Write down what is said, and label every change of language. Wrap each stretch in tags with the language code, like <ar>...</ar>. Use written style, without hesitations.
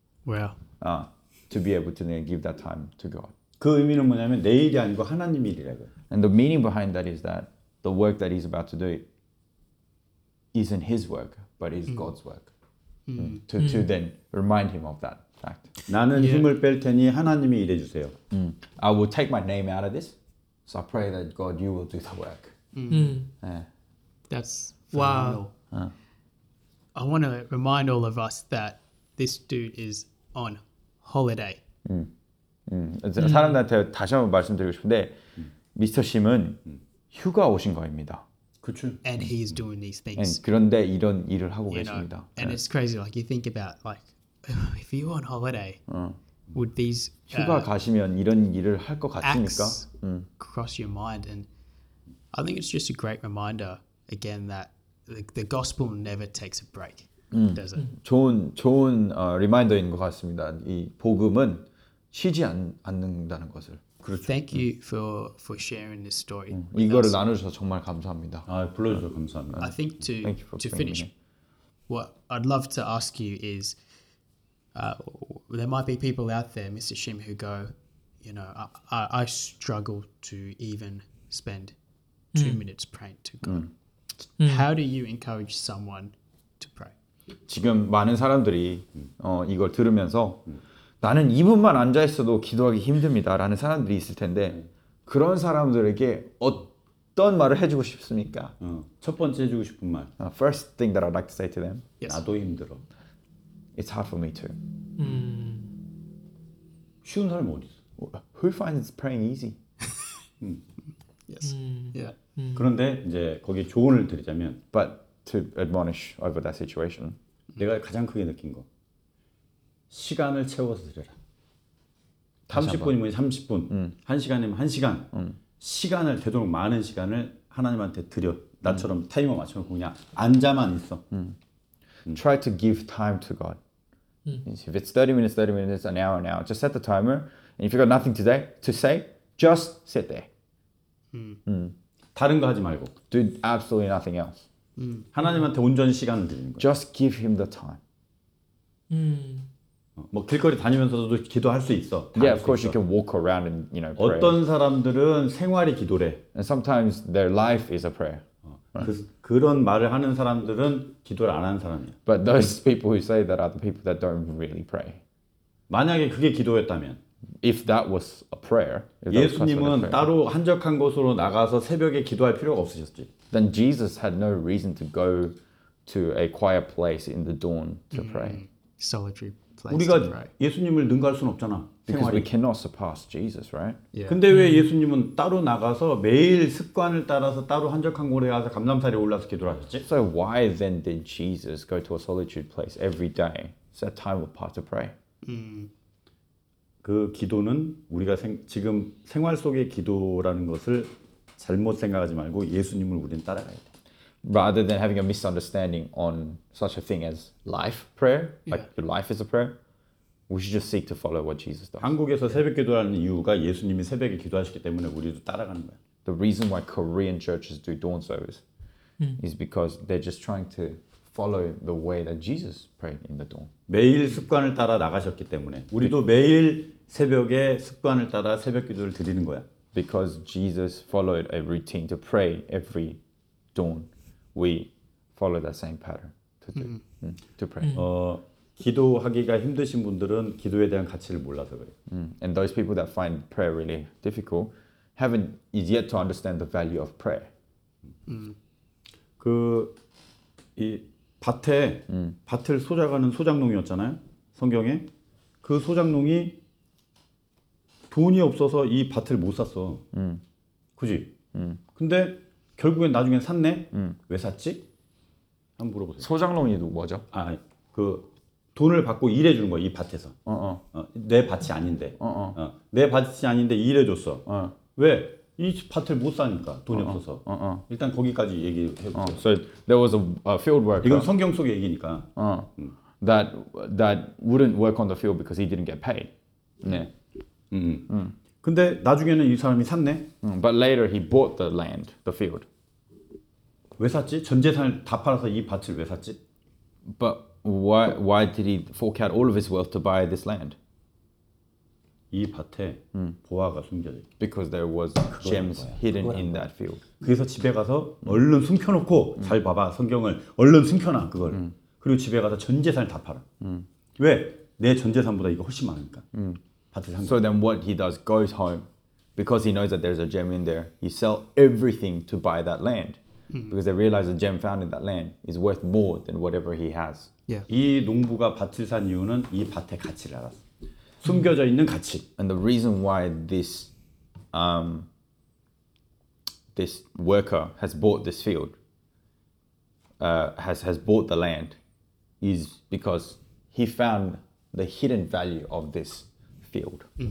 <en>Well, to be able to then give that time to God.</en> <ko>그 의미는 뭐냐면 내 일이 아니고 하나님 일이라고.</ko> <en>And the meaning behind that is that the work that he's about to do isn't his work, but is God's work. to then remind him of that fact.</en> <ko>나는</ko> <en>yeah.</en> <ko>힘을 뺄 테니 하나님이 일해 주세요.</ko> <en>I will take my name out of this. So I pray that God, you will do the work. That's phenomenal. Wow. I want to remind all of us that this dude is on holiday.</en> <ko>사람들한테 다시 한번 말씀드리고 싶은데 미스터 심은 휴가 오신 거입니다. 그렇죠.</ko> <en>And he is doing these things. And</en> <ko>그런데 이런 일을 하고 계십니다.</ko> <en>Know? And</en> <ko>네.</ko> <en>it's crazy. Like you think about, like, if you're on holiday, would these</en> <ko>휴가 가시면 이런 일을 할 것 같습니까?</ko> <en>Cross your mind, and I think it's just a great reminder again that the gospel never takes a break, does it?</en> <ko>좋은 리마인더인 것 같습니다. 이 복음은 쉬지 않는다는 것을. 그렇죠.</ko> <en>Thank you for sharing this story.</en> <ko>이거를 나누셔서 정말 감사합니다. 아, 불러주셔서 감사합니다.</ko> <en>I think to finish, what I'd love to ask you is, there might be people out there, Mr. Shim, who go, you know, I struggle to even spend 2 minutes praying to God. How do you encourage someone to pray?</en> <ko>지금 많은 사람들이 이걸 들으면서 나는 2분만 앉아 있어도 기도하기 힘듭니다라는 사람들이 있을 텐데 그런 사람들에게 어떤 말을 해주고 싶습니까? 첫 번째 해주고 싶은 말.</ko> <en>First thing that I'd like to say to them. Yes.</en> <ko>나도 힘들어.</ko> <en>It's hard for me too.</en> <ko>쉬운 사람 어디 있어?</ko> <en>Who finds praying easy? Yes. Yeah.</en> <ko>그런데 이제 거기 조언을 드리자면,</ko> <en>but to admonish over that situation.</en> <ko>내가 가장 크게 느낀 거. 시간을 채워서 드려라. 30분이면 30분, 1시간이면 1시간. 시간을 되도록 많은 시간을 하나님한테 드려. 나처럼 타이머 맞춰서 그냥 앉아만 있어.</ko> <en>Try to give time to God. If it's 30 minutes, 30 minutes, an hour, an hour. Just set the timer. And if you got nothing today to say, just sit there.</en> <ko>다른 거 하지 말고.</ko> <en>Do absolutely nothing else.</en> <ko>하나님한테 온전히 시간을 드리는 거.</ko> <en>Just give him the time.</en> <ko>뭐 길거리 다니면서도 기도할 수 있어.</ko> <en>Yeah, of course you can walk around and, you know, pray.</en> <ko>어떤 사람들은 생활이 기도래.</ko> <en>And sometimes their life is a prayer.</en> <ko>그런 말을 하는 사람들은 기도를 안 하는 사람이야.</ko> <en>But those people who say that are the people that don't really pray.</en> <ko>만약에 그게 기도였다면.</ko> <en>If that was a prayer. If</en> <ko>예수님은</ko> <en>that was a prayer,</en> <ko>따로 한적한 곳으로 나가서 새벽에 기도할 필요가 없으셨지.</ko> <en>Then Jesus had no reason to go to a quiet place in the dawn to pray. Solitary.</en> <ko>우리가 예수님을 능가할 수는 없잖아.</ko> <en>Because we cannot surpass Jesus, right? Yeah.</en> <ko>근데 왜 예수님은 따로 나가서 매일 습관을 따라서 따로 한적한 곳에 가서 감람산에 올라서 기도하셨지?</ko> <en>So why then did Jesus go to a solitude place every day, set time apart to pray?</en> <ko>그 기도는 우리가 지금 생활 속의 기도라는 것을 잘못 생각하지 말고 예수님을 우리는 따라가야 돼.</ko> <en>Rather than having a misunderstanding on such a thing as life prayer, like your life is a prayer, we should just seek to follow what Jesus does.</en> <ko>한국에서 새벽 기도하는 이유가 예수님이 새벽에 기도하시기 때문에 우리도 따라가는 거야.</ko> <en>The reason why Korean churches do dawn service is because they're just trying to follow the way that Jesus prayed in the dawn.</en> <ko>매일 습관을 따라 나가셨기 때문에 우리도 매일 새벽에 습관을 따라 새벽 기도를 드리는 거야.</ko> <en>Because Jesus followed a routine to pray every dawn. We follow that same pattern to do, to pray.</en> <ko>기도하기가 힘드신 분들은 기도에 대한 가치를 몰라서 그래.</ko> <en>And those people that find prayer really difficult is yet to understand the value of prayer.</en> <ko>그 이 밭에 밭을 소작하는 소작농이었잖아요. 성경에 그 소작농이 돈이 없어서 이 밭을 못 샀어. 그지? 근데 결국엔 나중에 샀네. 왜 샀지? 한번 물어보세요. 소장농이 뭐죠? 아, 그 돈을 받고 일해 주는 거야, 이 밭에서. 내 밭이 아닌데. 내 밭이 아닌데 일해 줬어. 왜? 이 밭을 못 사니까 돈이 없어서. 일단 거기까지 얘기해 볼게요.</ko> <en>So there was a field worker.</en> <ko>이건 성경 속의 얘기니까.</ko> <en>That wouldn't work on the field because he didn't get paid.</en> <ko>네. 근데 나중에는 이 사람이 샀네.</ko> <en>But later he bought the land, the field.</en> <ko>왜 샀지? 전 재산을 다 팔아서 이 밭을 왜 샀지?</ko> <en>But why did he fork out all of his wealth to buy this land?</en> <ko>이 밭에 보화가 숨겨져 있어.</ko> <en>Because there was gems hidden in that field.</en> <ko>그래서 집에 가서 얼른 숨겨놓고 잘 봐봐 성경을. 얼른 숨겨놔 그걸. 그리고 집에 가서 전 재산을 다 팔아. 왜? 내 전 재산보다 이거 훨씬 많으니까.</ko> <en>So then what he does, goes home, because he knows that there's a gem in there, he sells everything to buy that land. Because they realize the gem found in that land is worth more than whatever he has. Yeah.</en> <ko>이 농부가 밭을 산 이유는 이 밭의 가치를 알았어. 숨겨져 있는 가치.</ko> <en>And the reason why this this worker has bought this field, has bought the land, is because he found the hidden value of this field.</en>